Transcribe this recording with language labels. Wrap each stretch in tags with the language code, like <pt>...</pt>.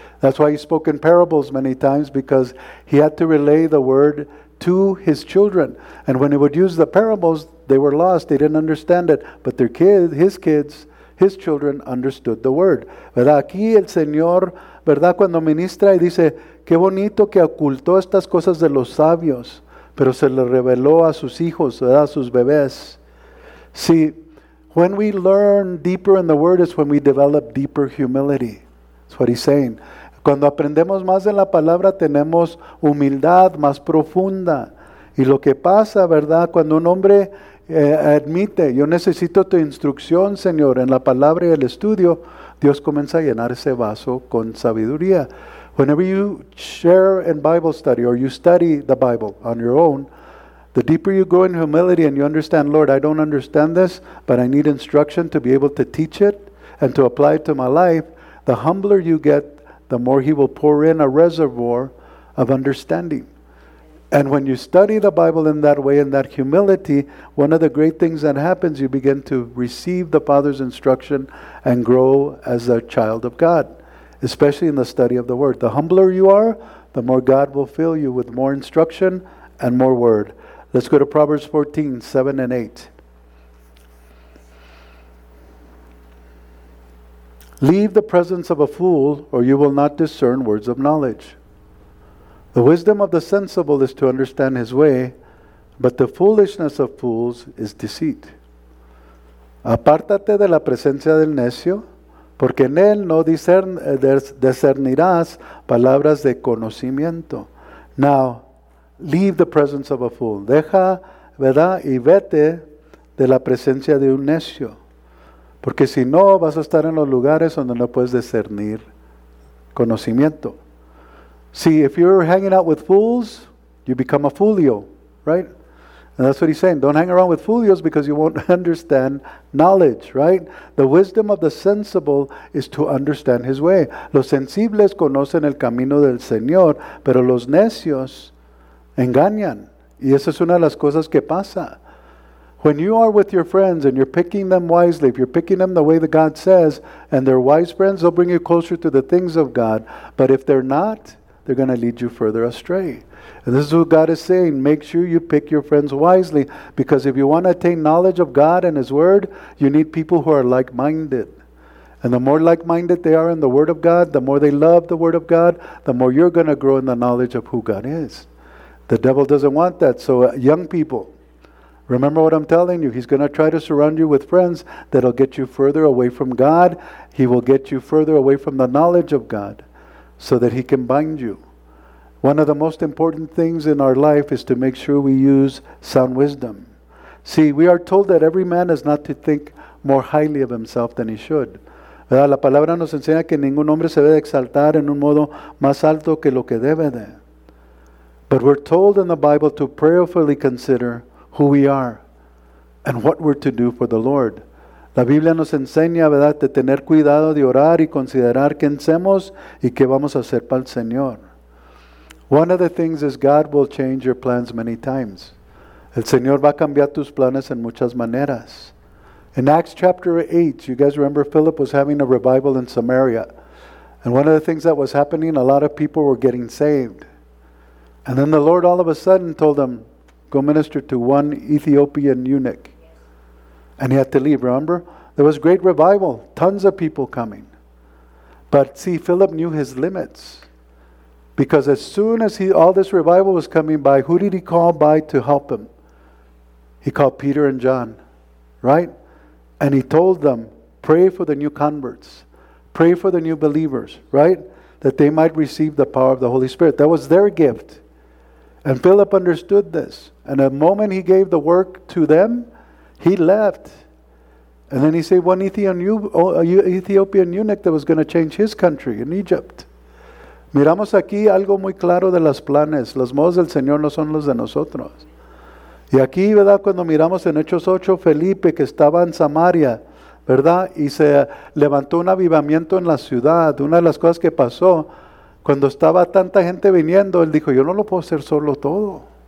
<en>That's why he spoke in parables many times, because he had to relay the word to his children. And when he would use the parables, they were lost. They didn't understand it. But their kids, his children understood the word.</en> <es>¿Verdad? Aquí el Señor, ¿verdad? Cuando ministra y dice, qué bonito que ocultó estas cosas de los sabios. Pero se le reveló a sus hijos, ¿verdad? A sus bebés.</es> <en>See, when we learn deeper in the word is when we develop deeper humility. That's what he's saying.</en> <es>Cuando aprendemos más de la palabra, tenemos humildad más profunda. Y lo que pasa, ¿verdad? Cuando un hombre admite, yo necesito tu instrucción, Señor, en la palabra y el estudio, Dios comienza a llenar ese vaso con sabiduría.</es> <en>Whenever you share in Bible study or you study the Bible on your own, the deeper you go in humility and you understand, Lord, I don't understand this, but I need instruction to be able to teach it and to apply it to my life, the humbler you get, the more he will pour in a reservoir of understanding. And when you study the Bible in that way, in that humility, one of the great things that happens, you begin to receive the Father's instruction and grow as a child of God, especially in the study of the word. The humbler you are, the more God will fill you with more instruction and more word. Let's go to Proverbs 14, 7 and 8. Leave the presence of a fool, or you will not discern words of knowledge. The wisdom of the sensible is to understand his way, but the foolishness of fools is deceit.</en> <es>Apártate de la presencia del necio, porque en él no discernirás palabras de conocimiento.</es> <en>Now, leave the presence of a fool.</en> <es>Deja, ¿verdad? Y vete de la presencia de un necio. Porque si no, vas a estar en los lugares donde no puedes discernir conocimiento.</es> <en>See, if you're hanging out with fools, you become a foolio, right? And that's what he's saying. Don't hang around with fools because you won't understand knowledge, right? The wisdom of the sensible is to understand his way.</en> <es>Los sensibles conocen el camino del Señor, pero los necios engañan. Y esa es una de las cosas que pasa.</es> <en>When you are with your friends and you're picking them wisely, if you're picking them the way that God says, and they're wise friends, they'll bring you closer to the things of God. But if they're not, they're going to lead you further astray. And this is what God is saying. Make sure you pick your friends wisely. Because if you want to attain knowledge of God and His Word, you need people who are like-minded. And the more like-minded they are in the Word of God, the more they love the Word of God, the more you're going to grow in the knowledge of who God is. The devil doesn't want that. So young people, remember what I'm telling you. He's going to try to surround you with friends that'll get you further away from God. He will get you further away from the knowledge of God so that he can bind you. One of the most important things in our life is to make sure we use sound wisdom. See, we are told that every man is not to think more highly of himself than he should.</en> <es>¿Verdad? La palabra nos enseña que ningún hombre se debe exaltar en un modo más alto que lo que debe de.</es> <en>But we're told in the Bible to prayerfully consider who we are and what we're to do for the Lord.</en> <es>La Biblia nos enseña, ¿verdad?, de tener cuidado de orar y considerar quién somos y qué vamos a hacer para el Señor.</es> <en>One of the things is God will change your plans many times.</en> <es>El Señor va a cambiar tus planes en muchas maneras.</es> <en>In Acts chapter 8, you guys remember Philip was having a revival in Samaria. And one of the things that was happening, a lot of people were getting saved. And then the Lord all of a sudden told them, go minister to one Ethiopian eunuch. And he had to leave, remember? There was great revival, tons of people coming. But see, Philip knew his limits. Because as soon as all this revival was coming by, who did he call by to help him? He called Peter and John, right? And he told them, pray for the new converts. Pray for the new believers, right? That they might receive the power of the Holy Spirit. That was their gift. And Philip understood this. And the moment he gave the work to them, he left. And then he saved one Ethiopian eunuch that was going to change his country in Egypt.</en> <es>Miramos aquí algo muy claro de los planes. Los modos del Señor no son los de nosotros. Y aquí, ¿verdad? Cuando miramos en Hechos 8, Felipe que estaba en Samaria, ¿verdad? Y se levantó un avivamiento en la ciudad. Una de las cosas que pasó, cuando estaba tanta gente viniendo, él dijo, yo no lo puedo hacer solo todo.</es>